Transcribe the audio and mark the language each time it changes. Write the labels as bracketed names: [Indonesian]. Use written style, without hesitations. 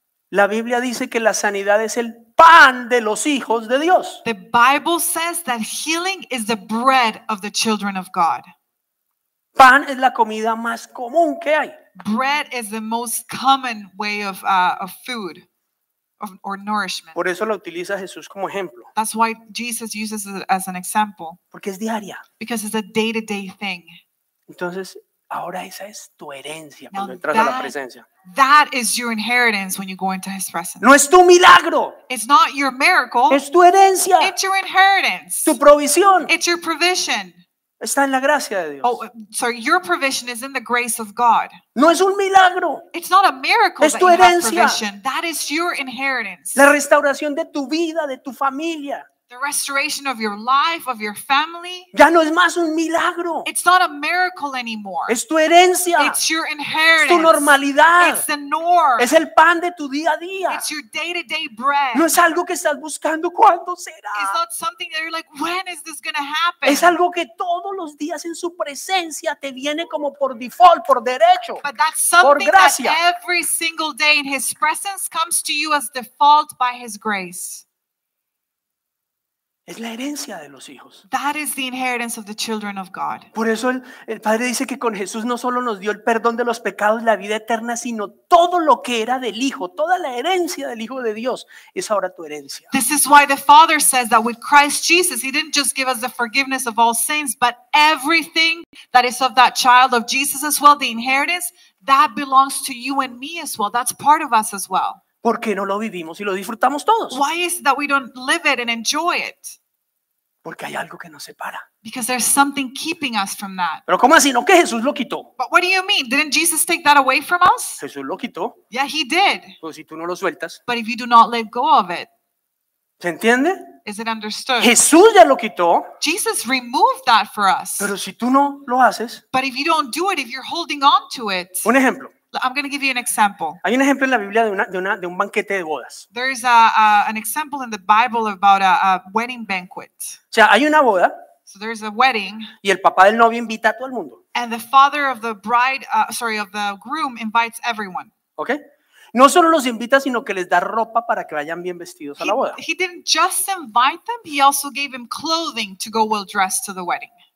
[Spanish] La Biblia dice que la sanidad es el pan de los hijos de Dios. [English] The Bible says that healing is the bread of the children of God. [Spanish] Pan es la comida más común que hay. [English] Bread is the most common way of food or nourishment. [Spanish] Por eso lo utiliza Jesús como ejemplo. [English] That's why Jesus uses it as an example. [Spanish] Porque es diaria. [English] Because it's a day-to-day thing. [Spanish] Entonces, ahora esa es tu herencia cuando entras a la presencia. [English] That is your inheritance when you go into his presence. [Spanish] No es tu milagro. [English] It's not your miracle. [Spanish] Es tu herencia. [English] It's your inheritance. [Spanish] Tu provisión. [English] It's your provision. [Spanish] Está en la gracia de Dios. [English] Oh, so your provision is in the grace of God. [Spanish] No es un milagro. [English] It's not a miracle. [Spanish] Es tu herencia. [English] That, you have provision. That is your inheritance. [Spanish] La restauración de tu vida, de tu familia. [English] The restoration of your life, of your family. [Spanish] Ya no es más un milagro. [English] It's not a miracle anymore. [Spanish] Es tu herencia. [English] It's your inheritance. [Spanish] Es tu normalidad. [English] It's the norm. [Spanish] Es el pan de tu día a día. [English] It's your day-to-day bread. [Spanish] No es algo que estás buscando cuándo será. [English] It's not something that you're like, when is this going to happen? [Spanish] Es algo que todos los días en su presencia te viene como por default, por derecho. [English] But that's something that every single day in his presence comes to you as default by his grace. [Spanish] Es la herencia de los hijos. [English] That is the inheritance of the children of God. [Spanish] Por eso el Padre dice que con Jesús no solo nos dio el perdón de los pecados, la vida eterna, sino todo lo que era del Hijo, toda la herencia del Hijo de Dios es ahora tu herencia. [English] This is why the Father says that with Christ Jesus, he didn't just give us the forgiveness of all sins, but everything that is of that child of Jesus as well, the inheritance, that belongs to you and me as well. That's part of us as well. [Spanish] ¿Por qué no lo vivimos y lo disfrutamos todos? [English] Why is it that we don't live it and enjoy it? [Spanish] Porque hay algo que nos separa. [English] Because there's something keeping us from that. [Spanish] ¿Pero cómo así? ¿No que Jesús lo quitó? [English] But what do you mean? Didn't Jesus take that away from us? [Spanish] Jesús lo quitó. [English] Yeah, he did. [Spanish] Pues si tú no lo sueltas. [English] But if you do not let go of it. [Spanish] ¿Se entiende? [English] Is it understood? [Spanish] Jesús ya lo quitó. [English] Jesus removed that for us. [Spanish] Pero si tú no lo haces. [English] But if you don't do it, if you're holding on to it. [Spanish] Un ejemplo. [English] I'm going to give you an example. [Spanish] Hay un ejemplo en la Biblia de un banquete de bodas. [English] There is an example in the Bible about a wedding banquet. [Spanish] O sea, hay una boda. [English] So there's a wedding. [Spanish] Y el papá del novio invita a todo el mundo. [English] And the father of the bride, of the groom invites everyone. Okay. [Spanish] No solo los invita, sino que les da ropa para que vayan bien vestidos a la boda. [English] He didn't just invite them, he also gave them clothing to go well dressed to the wedding.